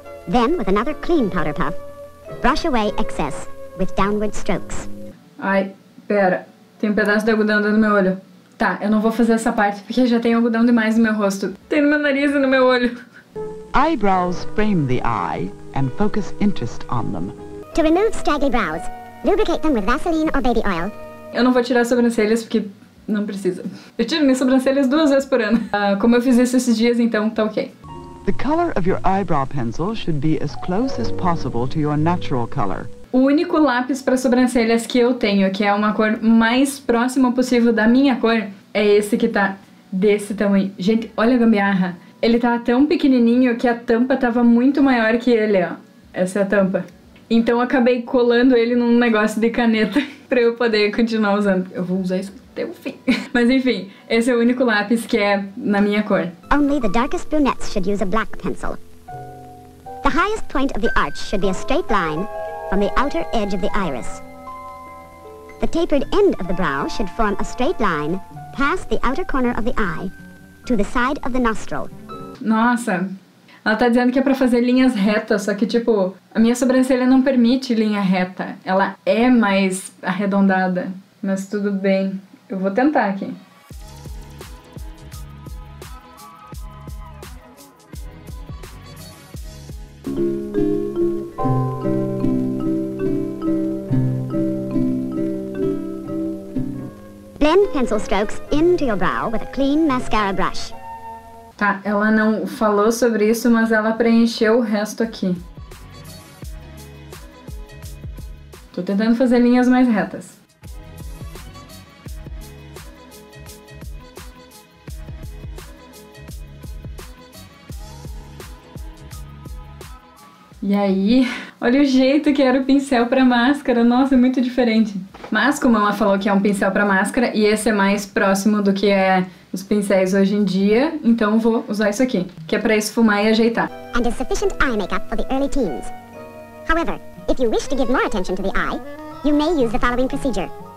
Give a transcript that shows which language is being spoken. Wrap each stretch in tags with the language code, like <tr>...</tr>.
<en>Then, with another clean powder puff, brush away excess with downward strokes.</en> <pt>Ai, pera. Tem um pedaço de algodão dentro do meu olho. Tá, eu não vou fazer essa parte porque já tem algodão demais no meu rosto. Tem no meu nariz e no meu olho.</pt> <en>Eyebrows frame the eye and focus interest on them. To remove straggly brows, lubricate them with Vaseline or baby oil.</en> <pt>Eu não vou tirar as sobrancelhas, porque não precisa. Eu tiro minhas sobrancelhas duas vezes por ano. Como eu fiz isso esses dias, então tá ok.</pt> <en>The color of your eyebrow pencil should be as close as possible to your natural color.</en> <pt>O único lápis para sobrancelhas que eu tenho, que é uma cor mais próxima possível da minha cor, é esse que tá desse tamanho. Gente, olha a gambiarra. Ele tá tão pequenininho que a tampa tava muito maior que ele, ó. Essa é a tampa. Então eu acabei colando ele num negócio de caneta pra eu poder continuar usando. Eu vou usar isso até o fim. Mas enfim, esse é o único lápis que é na minha cor.</pt> <en>Only the darkest brunettes should use a black pencil. The highest point of the arch should be a straight line from the outer edge of the iris. The tapered end of the brow should form a straight line past the outer corner of the eye to the side of the nostril.</en> <pt>Nossa! Ela tá dizendo que é pra fazer linhas retas, só que, tipo, a minha sobrancelha não permite linha reta. Ela é mais arredondada. Mas tudo bem. Eu vou tentar aqui.</pt> <en>Blend pencil strokes into your brow with a clean mascara brush.</en> <pt>Tá, ela não falou sobre isso, mas ela preencheu o resto aqui. Tô tentando fazer linhas mais retas. E aí? Olha o jeito que era o pincel pra máscara. Nossa, é muito diferente. Mas como ela falou que é um pincel pra máscara, e esse é mais próximo do que é... os pincéis hoje em dia, então vou usar isso aqui, que é pra esfumar e ajeitar.</pt> <en>And is sufficient eye makeup for the early teens. However, if you wish to give more attention to the eye, you may use the following procedure.</en>